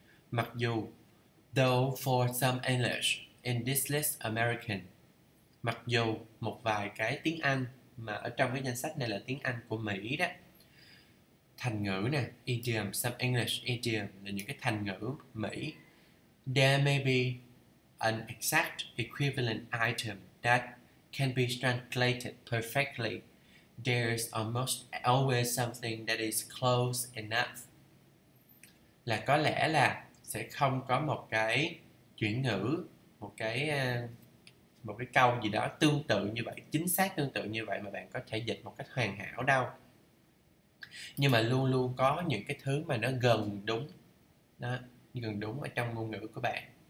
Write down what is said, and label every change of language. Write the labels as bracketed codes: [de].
[vi] Mặc dù, [en] though for some English in this list American, [vi] mặc dù một vài cái tiếng Anh mà ở trong cái danh sách này là tiếng Anh của Mỹ đó, thành ngữ nè, idiom, [en] some English idiom [vi] là những cái thành ngữ Mỹ, [en] there may be an exact equivalent item that can be translated perfectly. There's almost always something that is close enough. [vi] Là có lẽ là sẽ không có một cái chuyển ngữ, một cái câu gì đó tương tự như vậy, chính xác tương tự như vậy mà bạn có thể dịch một cách hoàn hảo đâu. Nhưng mà luôn luôn có những cái thứ mà nó gần đúng, đó, gần đúng ở trong ngôn ngữ của bạn.